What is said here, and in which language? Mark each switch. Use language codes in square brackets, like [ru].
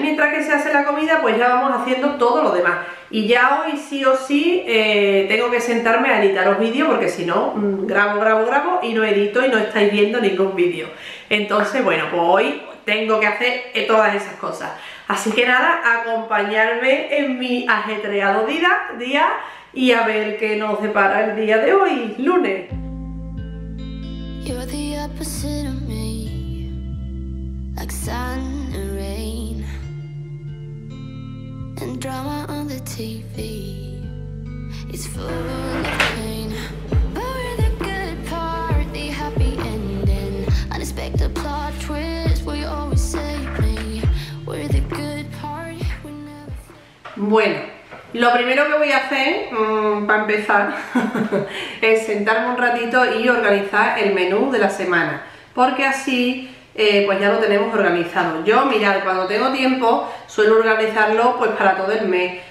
[es] Y mientras que se hace la comida, pues ya vamos haciendo todo lo demás. Y ya hoy sí o sí tengo que sentarme a editaros vídeos, porque si no, grabo, grabo, grabo y no edito y no estáis viendo ningún vídeo. Entonces, bueno, pues hoy tengo que hacer todas esas cosas. Así que nada, acompañarme en mi ajetreado día. Y a ver qué nos depara el día de hoy, lunes. [en] You're the opposite of me, like sun and rain, and drama on the TV is full of pain. But we're the good part, the happy ending, unexpected plot twist, we always save me. We're the good part, we never. [es] Bueno. Lo primero que voy a hacer, para empezar, es sentarme un ratito y organizar el menú de la semana. Porque así, pues ya lo tenemos organizado. Yo, mirad, cuando tengo tiempo, suelo organizarlo pues para todo el mes.